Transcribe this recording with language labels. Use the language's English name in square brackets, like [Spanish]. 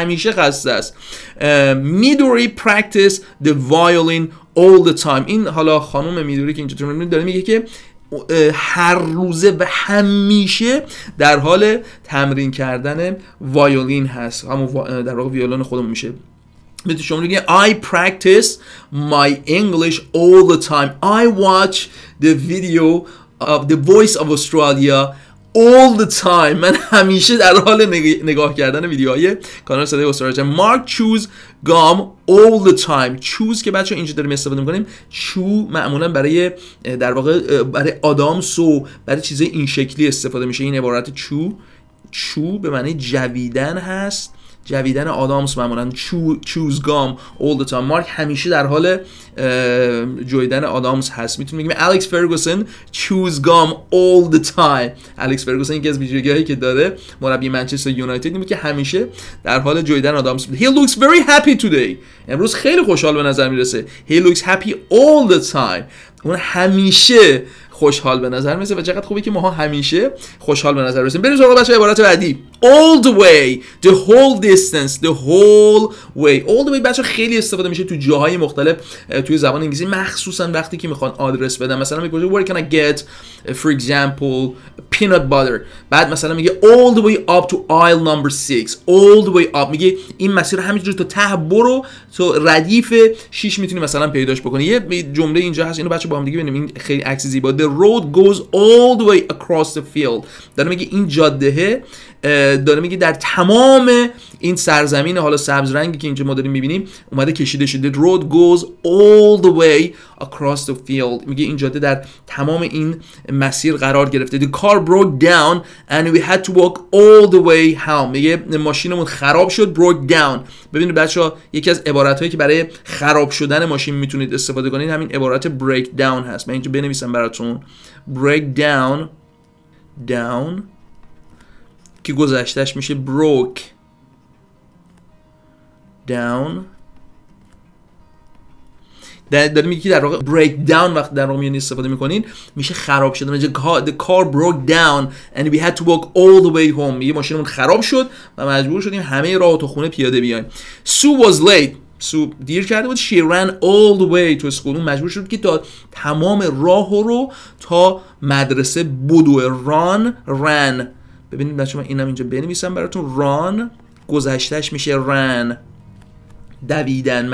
[Persian] همیشه خسته است. [English] Midori practice the violin all the time. [Persian] این حالا خانم میدوری که اینجا تو می‌بینید داره میگه که هر روزه و همیشه در حال تمرین کردن وایولین هست. همون در واقع ویولون خودمون میشه. میتونی شما بگید [English] I practice my English all the time. I watch the video of the voice of Australia all the time. [Persian] من همیشه در حال نگاه کردن ویدیوهای کانال صدای استرالیا. [English] Mark chews gum all the time. [Persian] چوز که بچه‌ها اینجا داریم استفاده می‌کنیم، چو معمولا برای در واقع برای آدامس و برای چیزای این شکلی استفاده میشه. این عبارت چو، چو به معنی جویدن هست، جویدن آدامس معمولا. [English] Chews gum all the time. [Persian] مارک همیشه در حال جویدن آدامس هست. میتونیم بگیم [English] Alex Ferguson chews gum all the time. [Persian] الکس فرگوسن یکی از ویژگی‌هایی که داره مربی منچستر یونایتد اینه که همیشه در حال جویدن آدامس بود. [English] He looks very happy today. [Persian] امروز خیلی خوشحال به نظر میرسه. [English] He looks happy all the time. [Persian] اون همیشه خوشحال به نظر میسه و چقدر خوبه که ماها همیشه خوشحال به نظر برسیم. بریم سراغ بچه‌ها عبارت بعدی. [English] all the way, the whole distance, the whole way. [Persian] all the way بچه‌ها خیلی استفاده میشه تو جاهای مختلف توی زبان انگلیسی، مخصوصا وقتی که میخوان آدرس بدن. مثلا میگه [English] where can I get for example peanut butter. [Persian] بعد مثلا میگه [English] all the way up to aisle number 6. [Persian] all the way up میگه این مسیر همینجوری تا ته برو، تو ردیف 6 میتونی مثلا پیداش بکنی. یه جمله اینجا هست، اینو بچه‌ها با هم دیگه ببینیم. این خیلی عکس زیبا. [English] The road goes all the way across the field. [Persian] داره میگه این جاده، داره میگه در تمام این سرزمین حالا سبز رنگی که اینجا ما داریم میبینیم اومده کشیده شده. [English] The road goes all the way across the field. [Persian] میگه این جاده در تمام این مسیر قرار گرفته. [English] The car broke down and we had to walk all the way home. [Persian] میگه ماشینمون خراب شد. Broke down. ببینید بچه‌ها یکی از عبارتهایی که برای خراب شدن ماشین میتونید استفاده کنید همین عبارت break down هست. من اینجا بنویسم براتون. Break down. Down. که گذشتش میشه broke down. داره میگه که در واقع break down وقت در رومیانی استفاده میکنین میشه خراب شدن. [English] The car broke down and we had to walk all the way home. [Persian] یه ماشینمون خراب شد و مجبور شدیم همه راه تو خونه پیاده بیایم. [English] Sue was late. Sue [Persian] دیر کرده بود. [English] She ran all the way to school. [Persian] اون مجبور شد که تا تمام راه رو تا مدرسه بدوه. [English] Run. [Persian] ببینید بچه من اینم اینجا بنویسم براتون. Run گذشتش میشه ran. دویدن.